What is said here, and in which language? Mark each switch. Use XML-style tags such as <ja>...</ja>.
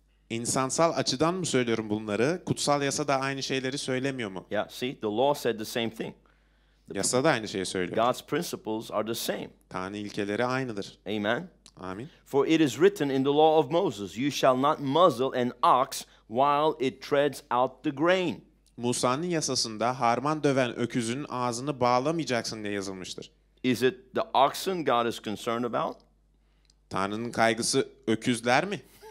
<tr>İnsansal açıdan mı söylüyorum bunları? Kutsal yasa da aynı şeyleri söylemiyor mu?</tr> <en>Yeah, see, the law said the same thing.</en> <tr>Yasa da aynı şeyi söylüyor.</tr> <en>God's principles are the same.</en> <tr>Tanrı ilkeleri aynıdır.</tr> <en>Amen.</en> <tr>Amin.</tr> <en>For it is written in the law of Moses, you shall not muzzle an ox while it treads out the grain.</en> <tr>Musa'nın yasasında harman döven öküzün ağzını bağlamayacaksın diye yazılmıştır.</tr> <en>Is it the oxen God is concerned about?</en> <tr>Tanrı'nın kaygısı öküzler mi?</tr>